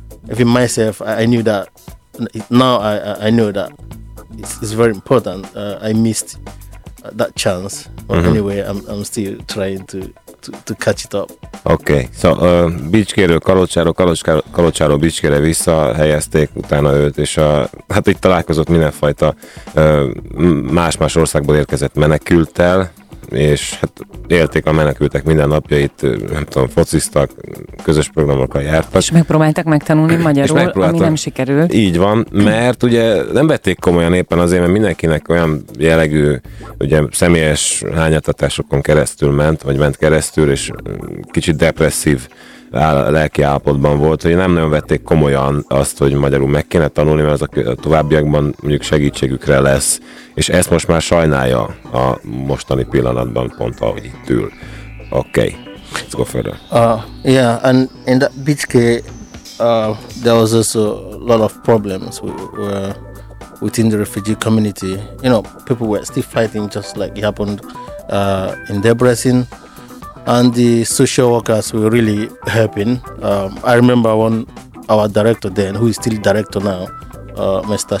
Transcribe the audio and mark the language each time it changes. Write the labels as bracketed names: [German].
[English] Even myself, I knew that. Now I know that it's very important. I missed that chance, but anyway, I'm still trying to catch it up. [Hungarian] Okay, so Bicskéről Kalocsáról, Kalocsáról Bicskére visszahelyezték utána őt, és hát itt találkozott mindenfajta más-más országból érkezett menekülttel, és hát élték a menekültek minden napjait, nem tudom, fociztak, közös programokkal jártak. És megpróbáltak megtanulni magyarul, ami nem sikerült. Így van, mert ugye nem vették komolyan éppen azért, mert mindenkinek olyan jellegű, ugye személyes hányatatásokon keresztül ment, vagy ment keresztül, és kicsit depresszív lelki állapotban volt, hogy nem nagyon vették komolyan azt, hogy magyarul meg kéne tanulni, mert az a továbbiakban mondjuk segítségükre lesz, és ezt most már sajnálja a mostani pillanatban pont, ahogy itt ül. [English] Okay, let's go further. And in that Bicske, there was also a lot of problems within the refugee community. You know, people were still fighting just like it happened in Debrecen. And the social workers were really helping. I remember one, our director then, who is still director now, Mr.